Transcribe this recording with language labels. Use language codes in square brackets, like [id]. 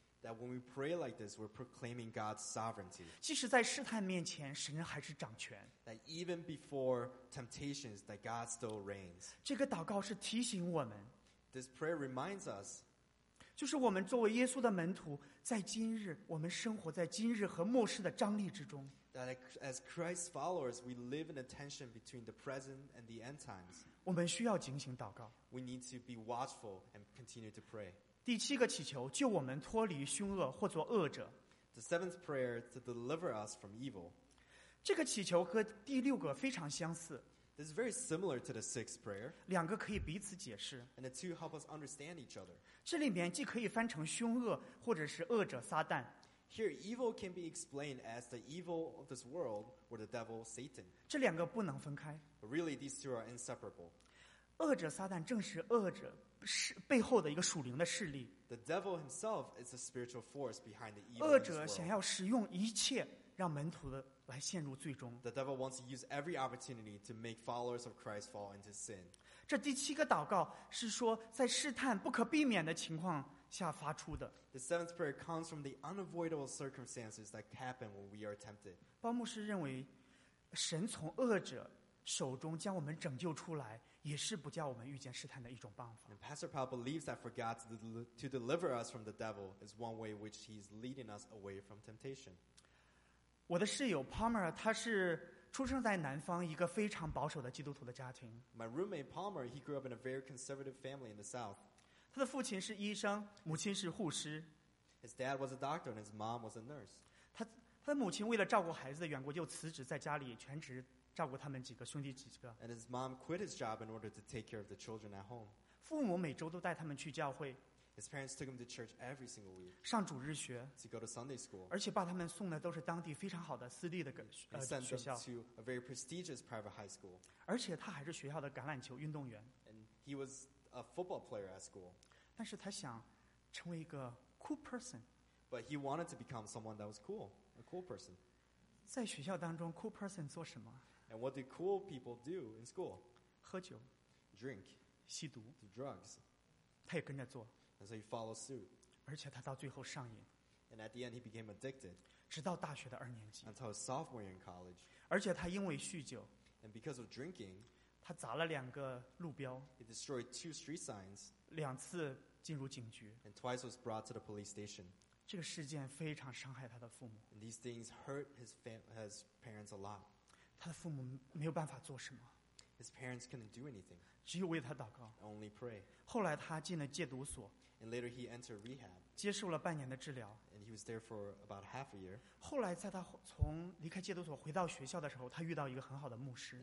[en] That when we pray like this, we're proclaiming God's sovereignty. [zh] 即使在试探面前，神还是掌权。 [en] That even before temptations, that God still reigns. [zh] 这个祷告是提醒我们。 [en] This prayer reminds us. [zh] 就是我们作为耶稣的门徒，在今日，我们生活在今日和末世的张力之中。 [en] That as Christ's followers, we live in a tension between the present and the end times. [zh] 我们需要警醒祷告。 [en] We need to be watchful and continue to pray. [zh] 第七个祈求，救我们脱离凶恶或做恶者。 [en] The seventh prayer to deliver us from evil. [zh] 这个祈求和第六个非常相似。 [en] This is very similar to the sixth prayer. [zh] 两个可以彼此解释。 [en] And the two help us understand each other. [zh] 这里面既可以翻成凶恶或者是恶者撒旦。 [en] Here, evil can be explained as the evil of this world or the devil Satan. [zh] 这两个不能分开。 [en] But really, these two are inseparable. [zh] 恶者撒旦正是恶者背后的一个属灵的势力。 [en] The devil himself is the spiritual force behind the evil. [zh] 恶者想要使用一切让门徒的来陷入最终。 [en] The devil wants to use every opportunity to make followers of Christ fall into sin. [zh] 这第七个祷告是说在试探不可避免的情况下发出的。 [en] The seventh prayer comes from the unavoidable circumstances that happen when we are tempted. [zh] 包牧师认为神从恶者手中将我们拯救出来也是不叫我们遇见试探的一种办法。 [en] And Pastor Paul believes that for God to deliver us from the devil is one way which he is leading us away from temptation. [zh] 我的室友 Palmer 他是出生在南方一个非常保守的基督徒的家庭。 [en] My roommate Palmer, he grew up in a very conservative family in the South. [zh] 他的父亲是医生，母亲是护士。 [en] His dad was a doctor and his mom was a nurse. [zh] 他的母亲为了照顾孩子的缘故就辞职在家里全职照顾他们几个兄弟几个。 [en] And his mom quit his job in order to take care of the children at home. [zh] 父母每周都带他们去教会。 [en] His parents took him to church every single week. [zh] 上主日学 [en] to go to Sunday school. [zh] 而且把他们送的都是当地非常好的私立的学校 [en] to a very prestigious private high school. [zh] 而且他还是学校的橄榄球运动员 [en] and he was a football player at school. [zh] 但是他想成为一个 [en] cool person. But he wanted to become someone that was cool, a cool person. [zh] 在学校当中 [en] cool person [zh] 做什么 [en] and what do cool people do in school? [zh] 喝酒 [en] drink [zh] 吸毒 [en] do drugs. [zh] 他也跟着做 [en] And so he followed suit. [zh] 而且他到最后上瘾。 [en] And at the end, he became addicted. [zh] 直到大学的二年级。 [en] Until his sophomore year in college. [zh] 而且他因为酗酒。 [en] And because of drinking, [zh] 他砸了两个路标。 [en] He destroyed two street signs. [zh] 两次进入警局。 [en] And twice was brought to the police station. [zh] 这个事件非常伤害他的父母。 [en] And these things hurt his parents a lot. [zh] 他的父母没有办法做什么。 [en] His parents couldn't do anything. [zh] 只有为他祷告。 [en] Only pray. [zh] 后来他进了戒毒所。 [en] And later he entered rehab. [zh] 接受了半年的治疗。 [en] And he was there for about half a year. [zh] 后来在他从离开戒毒所回到学校的时候，他遇到一个很好的牧师。